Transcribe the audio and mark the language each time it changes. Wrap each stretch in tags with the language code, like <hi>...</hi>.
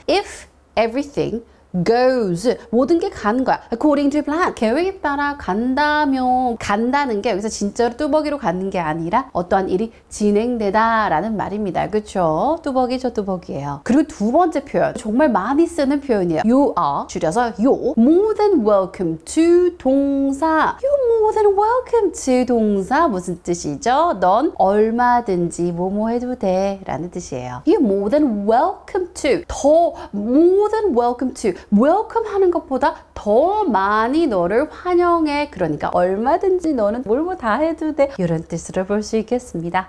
<en>If everything goes,</en> <ko>모든 게 가는 거야.</ko> <en>According to plan,</en> <ko>계획에 따라 간다면 간다는 게 여기서 진짜로 뚜벅이로 가는 게 아니라 어떠한 일이 진행되다 라는 말입니다. 그쵸? 뚜벅이 저 뚜벅이에요. 그리고 두 번째 표현, 정말 많이 쓰는 표현이에요.</ko> <en>You are,</en> <ko>줄여서</ko> <en>you're more than welcome to 동사. You're more than welcome to 동사</en> <ko>무슨 뜻이죠? 넌 얼마든지 뭐뭐 해도 돼 라는 뜻이에요.</ko> <en>You're more than welcome to, 더 more than welcome to, welcome</en> <ko>하는 것보다 더 많이 너를 환영해. 그러니까 얼마든지 너는 뭘 뭐 다 해도 돼. 이런 뜻으로 볼 수 있겠습니다.</ko>